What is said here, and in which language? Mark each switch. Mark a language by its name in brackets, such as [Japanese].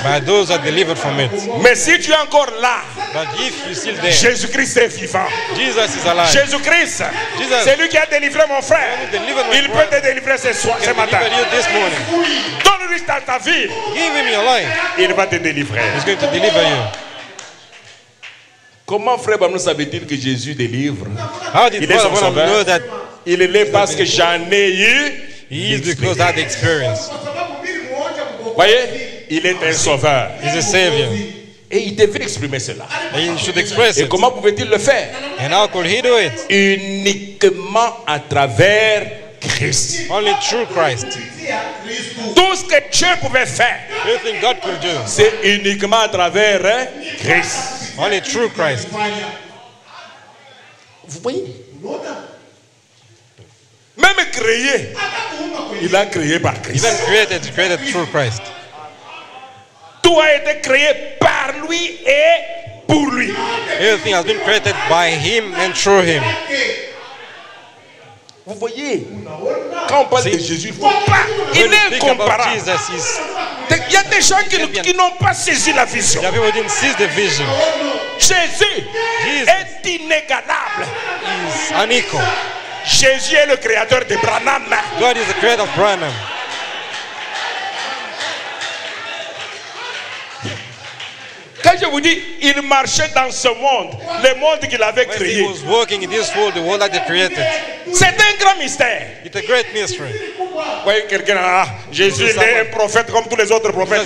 [English] But those are delivered from it. [French] Mais si tu es encore là, [English] but if you're still there, [French] Jésus-Christ est vivant. [English] Jesus is alive. [French] Jésus-Christ, [English] Jesus, [French] c'est lui qui a délivré mon frère. Il peut te délivrer ce soir, ce matin. [English] He can deliver you this morning. [French] Donne-lui ta vie. [English] Give him your life. [French] Il va te délivrer. [English] He's going to deliver you. [French] Comment frère Bamou savait-il que Jésus délivre? [English] How did he know that? [French] Il est là parce que j'en ai eu. [English] He is because I had experience. [French] Voyez, il est un sauveur. [English] He's a savior. [French] Et il devait exprimer cela. [English] And he should express it. [French] Et comment pouvait-il le faire? [English] And how could he do it? [French] Uniquement à travers Christ. [English] Only through Christ. [French] Tout ce que Dieu pouvait faire. [English] Everything God could do. [French] C'est uniquement à travers Christ. [English] Only through Christ. [French] Vous voyez? Même créé, il a créé par Christ. [English] Even created through Christ. [French] Tout a été créé par lui et pour lui. [English] Everything has been created by him and through him. [French] Vous voyez, quand on parle de Jésus, il est incomparable. Il y a des gens qui n'ont pas saisi la vision. Il y a des gens qui n'ont pas saisi la vision. Jésus est inégalable. Il est unique. Jésus est le créateur de Branham. [English] God is the creator of Branham. [French] Quand je vous dis, il marchait dans ce monde, le monde qu'il avait créé. [English] When he was walking in this world, the world that he created. [French] C'est un grand mystère. [English] It's a great mystery. [French] Oui, quelqu'un a. Ah, Jésus est un prophète comme tous les autres prophètes.